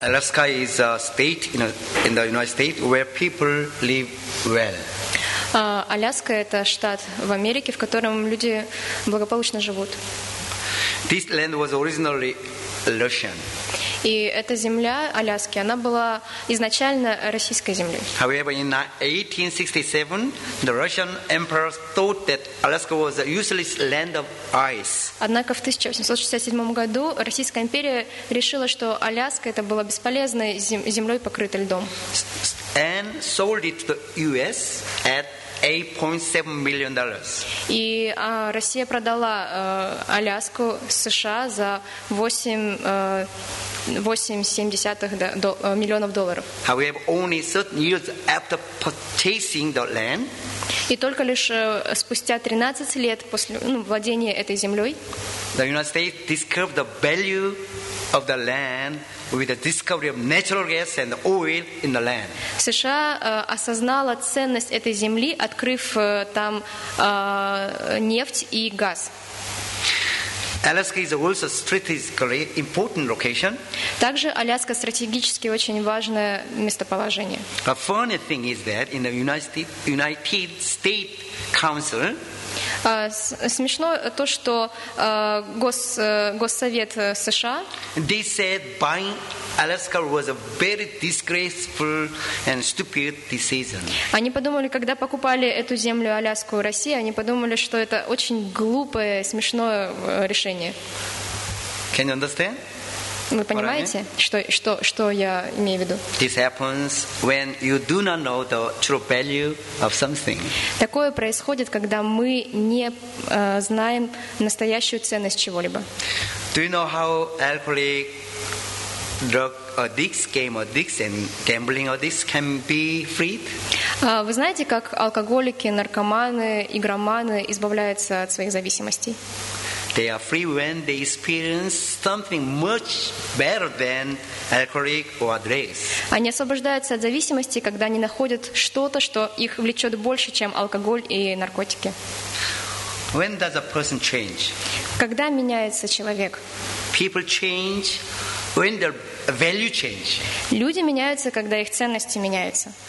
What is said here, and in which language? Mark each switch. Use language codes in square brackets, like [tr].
[en] Alaska is a state in the United States where people live well. [ru] Аляска – это штат в Америке, в котором люди благополучно живут. [en] This land was originally Russian. [ru] И эта земля Аляски, она была изначально российской землей. [en] However, in 1867, the Russian emperor thought that Alaska was a useless land of ice. [ru] Однако в 1867 году Российская империя решила, что Аляска это была бесполезной землей, покрытой льдом. [en] And sold it to the U.S. at $8.7 million. [ru] И Россия продала Аляску США за 8.7 миллионов долларов. [en] However, only 13 years after purchasing the land. [ru] И только лишь спустя 13 лет после владения этой землей. [en] The United States discovered the value of the land with the discovery of natural gas and oil in the land. [ru] США осознала ценность этой земли, открыв там нефть и газ. [en] Alaska is also strategically important location. [ru] Также Аляска стратегически очень важное местоположение. [en] The funny thing is that in the United States Council. [ru] Смешно то, что Госсовет США. [en] They said buying Alaska was a very disgraceful and stupid decision. [ru] Они подумали, когда покупали эту землю Аляску России, они подумали, что это очень глупое, смешное решение. [en] Can you understand? [ru] Вы понимаете, что я имею в виду? [en] This happens when you do not know the true value of something. [ru] Такое происходит, когда мы не знаем настоящую ценность чего-либо. [en] Do you know how alcoholic drug addicts, game addicts, and gambling addicts can be freed? [ru] Вы знаете, как алкоголики, наркоманы, игроманы избавляются от своих зависимостей? [en] They are free when they experience something much better than alcoholic or drugs. [ru] Они освобождаются от зависимости, когда они находят что-то, что их влечет больше, чем алкоголь и наркотики. [en] When does a person change? [ru] Когда меняется человек? [en] People change when their value change. [ru] Люди меняются, когда их ценности меняются.